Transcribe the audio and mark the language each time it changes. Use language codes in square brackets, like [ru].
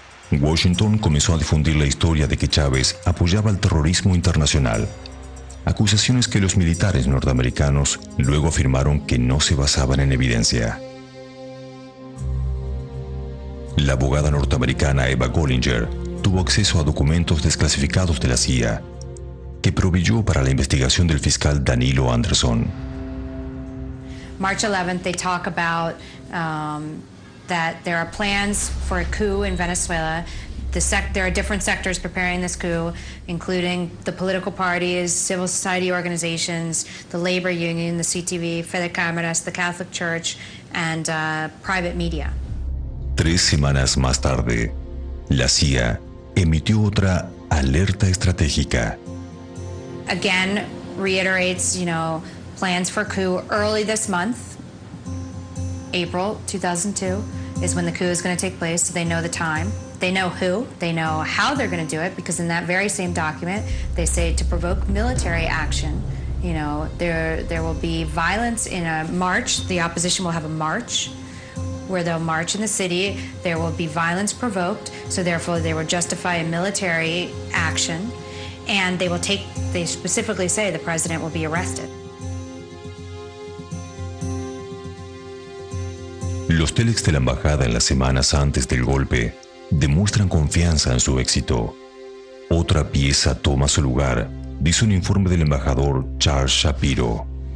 [es] Washington comenzó a difundir la historia de que Chávez apoyaba el terrorismo internacional, acusaciones que los militares norteamericanos luego afirmaron que no se basaban en evidencia. La abogada norteamericana Eva Gollinger tuvo acceso a documentos desclasificados de la CIA, que proveyó para la investigación del fiscal Danilo Anderson. [en] March 11th, they talk about that there are plans for a coup in Venezuela. There are different sectors preparing this coup, including the political parties, civil society organizations, the labor union, the CTV, Fedecámaras, the Catholic Church, and private media. [es] Tres semanas más tarde, la CIA emitió otra alerta estratégica. [en] Again, reiterates, you know, plans for coup early this month, April 2002, is when the coup is going to take place, so they know the time. They know who, they know how they're going to do it, because in that very same document, they say to provoke military action, you know, there will be violence in a march. The opposition will have a march where they'll march in the city. There will be violence provoked, so therefore they will justify a military action, and they specifically say the president will be arrested. [es] Los telex de la embajada en las semanas antes del golpe demuestran confianza en su éxito. Otra pieza toma su lugar, dice un informe del embajador Charles Shapiro.